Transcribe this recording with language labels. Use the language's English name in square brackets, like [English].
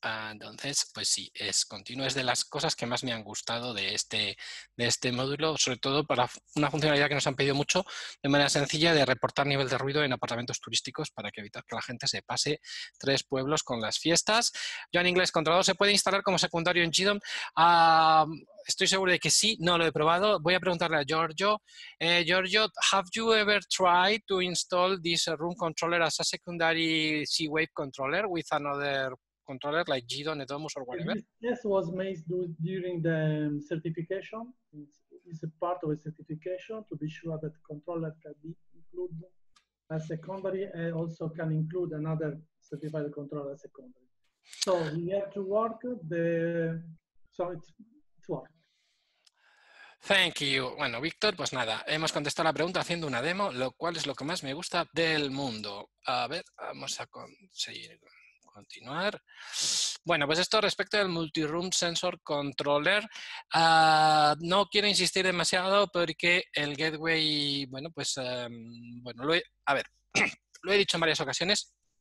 [Spanish] Entonces, pues sí, es continuo. Es de las cosas que más me han gustado de este módulo, sobre todo para una funcionalidad que nos han pedido mucho, de manera sencilla, de reportar nivel de ruido en apartamentos turísticos para que evitar que la gente se pase tres pueblos con las fiestas. Yo en inglés controlado, ¿se puede instalar como secundario en Gidom? Estoy seguro de que sí, no lo he probado. Voy a preguntarle a Giorgio. [English] Giorgio, have you ever tried to install this room controller as a secondary C-Wave controller with another controller like Gidon, Edomus or whatever? Yes, was made during the certification. It's a part of a certification to be sure that the controller can be included as secondary and also can include another certified controller as secondary. So we have to work it's work. Thank you. [Spanish] Bueno, Víctor, pues nada, hemos contestado la pregunta haciendo una demo, lo cual es lo que más me gusta del mundo. A ver, vamos a conseguir continuar. Bueno, pues esto respecto al Multiroom Sensor Controller, no quiero insistir demasiado porque el gateway, bueno, pues bueno, lo he dicho en varias ocasiones.